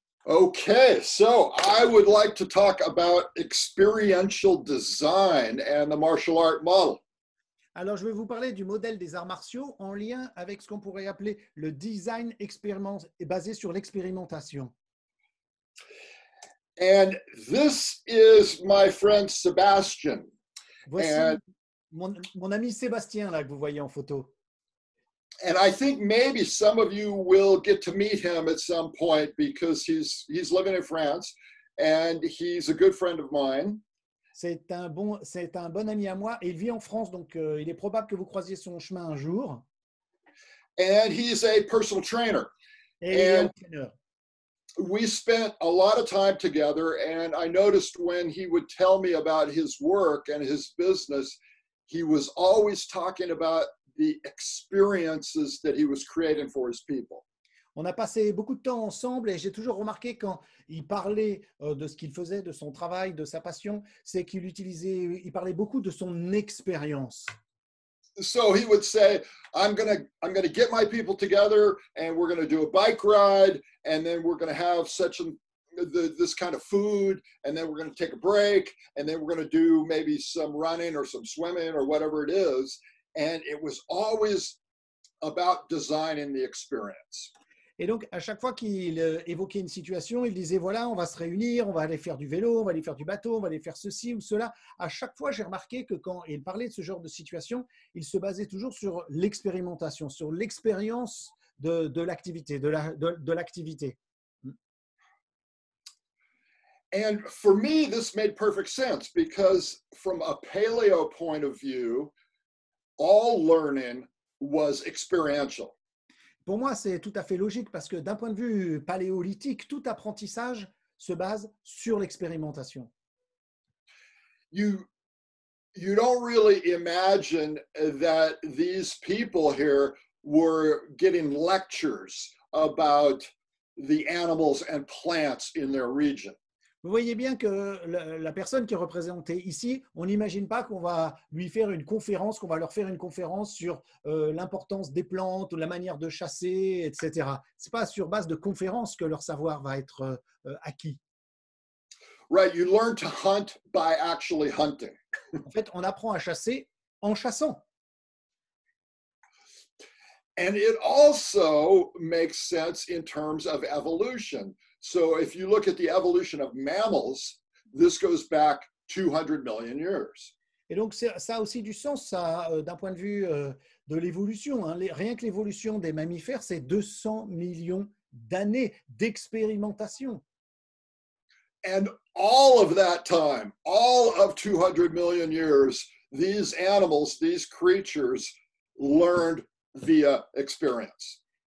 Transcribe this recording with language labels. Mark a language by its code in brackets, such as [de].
[en] Okay, so I would like to talk about experiential design and the martial art model. [fr] Alors, je vais vous parler du modèle des arts martiaux en lien avec ce qu'on pourrait appeler le design expérimental et basé sur l'expérimentation. [en] And this is my friend Sebastian. [fr] Voici mon ami Sébastien là que vous voyez en photo. [en] And I think maybe some of you will get to meet him at some point because he's living in France and he's a good friend of mine. [fr] C'est un bon ami à moi. Il vit en France, donc il est probable que vous croisiez son chemin un jour. [en] And he's a personal trainer. [fr] Et il est [en] And [fr] entraîneur. [en] we spent a lot of time together, and I noticed when he would tell me about his work and his business, he was always talking about the experiences that he was creating for his people. [fr] On a passé beaucoup de temps ensemble et j'ai toujours remarqué quand il parlait de ce qu'il faisait, de son travail, de sa passion, c'est qu'il utilisait, il parlait beaucoup de son expérience. [en] So he would say, I'm gonna get my people together and we're gonna do a bike ride and then we're gonna have such an this kind of food and then we're gonna take a break and then we're gonna do maybe some running or some swimming or whatever it is. And it was always about designing the experience. [fr] Et donc, à chaque fois qu'il évoquait une situation, il disait, voilà, on va se réunir, on va aller faire du vélo, on va aller faire du bateau, on va aller faire ceci ou cela. À chaque fois, j'ai remarqué que quand il parlait de ce genre de situation, il se basait toujours sur l'expérimentation, sur l'expérience de l'activité, de l'activité. [en] And for me, this made perfect sense because from a paleo point of view, all learning was experiential. [fr] Pour moi, c'est tout à fait logique parce que d'un point de vue paléolithique, tout apprentissage se base sur l'expérimentation. [en] You don't really imagine that these people here were getting lectures about the animals and plants in their region. [fr] Vous voyez bien que la personne qui est représentée ici, on n'imagine pas qu'on va lui faire une conférence, qu'on va leur faire une conférence sur l'importance des plantes, la manière de chasser, etc. C'est pas sur base de conférences que leur savoir va être acquis. [en] Right, you learn to hunt by actually hunting. [fr] En fait, on apprend à chasser en chassant. [en] And it also makes sense in terms of evolution. So if you look at the evolution of mammals, this goes back 200 million years. [fr] Et donc, ça a aussi du sens d'un point de vue de l'évolution. Hein. Rien que l'évolution des mammifères, c'est 200 millions d'années d'expérimentation. [en] And all of that time, all of 200 million years, these animals, these creatures learned via experience.